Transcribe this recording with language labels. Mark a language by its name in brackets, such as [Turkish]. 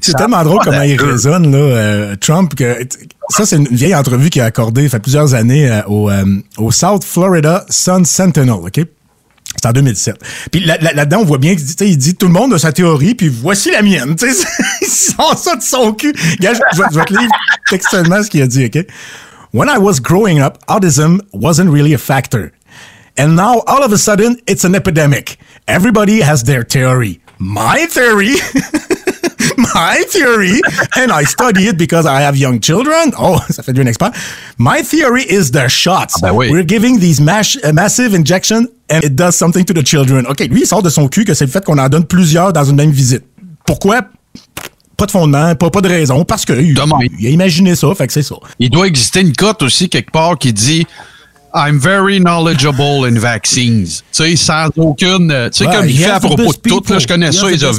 [French] C'est tellement drôle comment il résonne, là, Trump, que... Ça, c'est une vieille entrevue qu'il a accordée, fait plusieurs années, au South Florida Sun Sentinel, OK? C'est en 2017. Puis là-dedans, on voit bien qu'il dit tout le monde a sa théorie, puis voici la mienne, tu sais? Il sort ça de son cul. Regarde, je vais te lire textuellement ce qu'il a dit, OK? [English] When I was growing up, autism wasn't really a factor. And now, all of a sudden, it's an epidemic. Everybody has their theory. My theory... My theory, and I study it because I have young children. [French] Oh, ça fait du expert. [English] My theory is the shots. [French] Ah ben oui. [English] We're giving these massive injections and it does something to the children. [French] OK, lui, il sort de son cul que c'est le fait qu'on en donne plusieurs dans une même visite. Pourquoi? Pas de fondement, pas de raison. Parce que il a imaginé ça, fait que c'est ça. Il doit exister une cote aussi quelque part qui dit... [English] I'm very knowledgeable in vaccines. [French] Tu sais, sans aucune... Tu sais, comme il fait à propos de tout, là, je connais ça, ils ont...